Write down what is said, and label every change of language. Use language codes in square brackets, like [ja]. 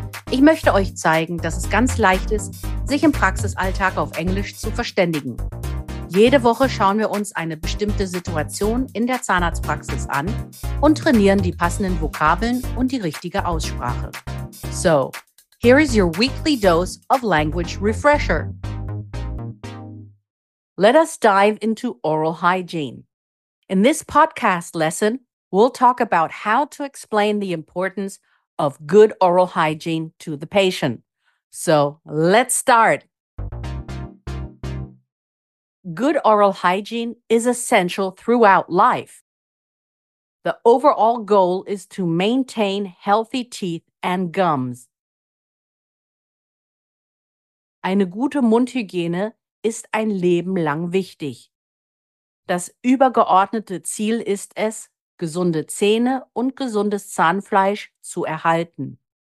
[de] Ich möchte euch zeigen, dass es ganz leicht ist, sich im Praxisalltag auf Englisch zu verständigen. Jede Woche schauen wir uns eine bestimmte Situation in der Zahnarztpraxis an und trainieren die passenden Vokabeln und die richtige Aussprache. [en] So, here is your weekly dose of language refresher. Let us dive into oral hygiene. In this podcast lesson, we'll talk about how to explain the importance of good oral hygiene to the patient. So, let's start. Good oral hygiene is essential throughout life. The overall goal is to maintain healthy teeth and gums. [de] Eine gute Mundhygiene ist ein Leben lang wichtig. Das übergeordnete Ziel ist es, gesunde Zähne und gesundes Zahnfleisch zu erhalten.